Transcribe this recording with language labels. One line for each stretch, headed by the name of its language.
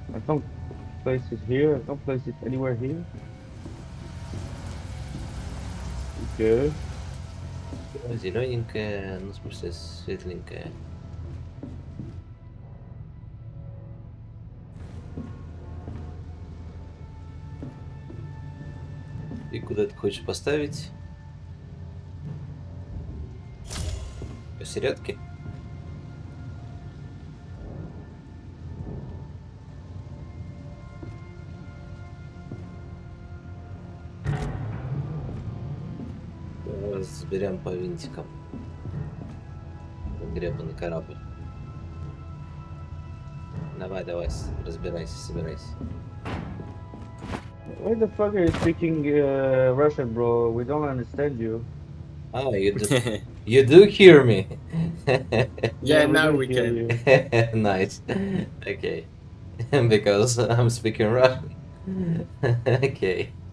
English: I don't place it here, I don't place it anywhere here. Okay.
Russian: Зелененькая, ну в смысле светленькая. И куда ты хочешь поставить? Посередке? Разберем по винтикам. Гребаный корабль. Давай, давай, разбирайся, собирайся.
English: Why the fuck are you speaking Russian, bro? We don't understand you. Oh, you do. You do hear me. Yeah, yeah, now we can. Nice. Okay. Because I'm speaking Russian. Okay.